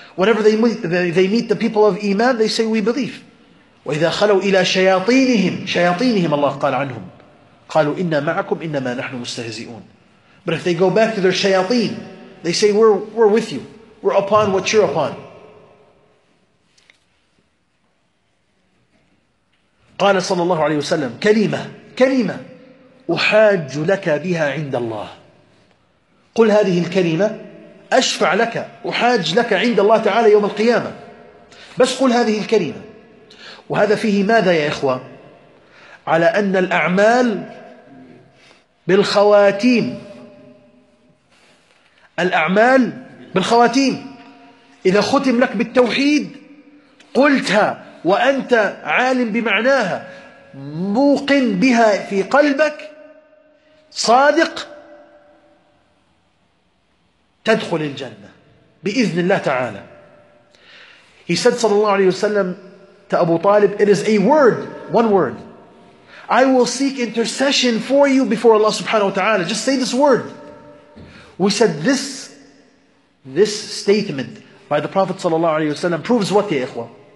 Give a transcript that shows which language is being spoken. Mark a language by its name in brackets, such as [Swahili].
[English] Whenever they meet the people of Iman, they say, we believe. [Arabic] وَإِذَا خَلَوْا إِلَى شَيَاطِينِهِمْ شَيَاطِينِهِمْ [English] Allah [Arabic] قال عنهم قَالُوا إِنَّا مَعَكُمْ إِنَّمَا نَحْنُ مُسْتَهْزِئُونَ. [English] But if they go back to their shayateen, they say, we're with you. We're upon what you're upon. [Arabic] قال صلى الله عليه وسلم كلمة أحاج لك بها عند الله. قل هذه الكلمة أشفع لك أحاج لك عند الله تعالى يوم القيامة. بس قل هذه الكلمة. وهذا فيه ماذا يا إخوة؟ على أن الأعمال بالخواتيم. الأعمال بالخواتيم. إذا ختم لك بالتوحيد قلتها وأنت عالم بمعناها، موقن بها في قلبك، صادق، تدخل الجنة بإذن الله تعالى. [English] He said صلى الله عليه وسلم to Abu Talib, it is a word, one word. I will seek intercession for you before Allah subhanahu wa ta'ala. Just say this word. We said this statement by the Prophet صلى الله عليه وسلم proves what, ya ikhwa?